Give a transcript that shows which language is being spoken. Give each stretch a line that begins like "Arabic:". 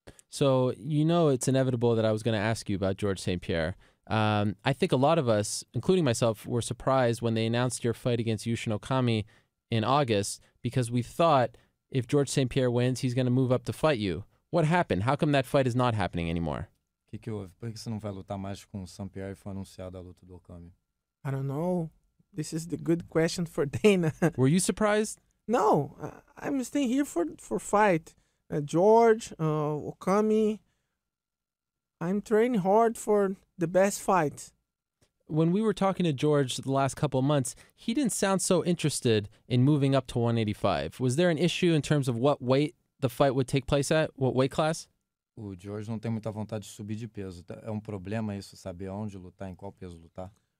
English: So, you know, it's inevitable that I was going to ask you about George St. Pierre. I think a lot of us, including myself, were surprised when they announced your fight against Yushin Okami in August because we thought if George St. Pierre wins, he's going to move up to fight you. What happened? How come that fight is not happening anymore?
Portuguese: Que houve? Por que você não vai lutar mais com o St. Pierre e foi anunciada a luta do Okami?
English: I don't know. This is the good question for Dana. Were you surprised? No. I'm staying here for fight. George, Okami, I'm training hard for the best fight. When we were talking to George the last couple of months, he didn't sound so interested in moving up to 185. Was there an issue in terms of what weight the fight would take place at? What weight class?
Portuguese: O George não tem muita vontade de subir de peso. É problema isso, saber onde lutar, em qual peso lutar?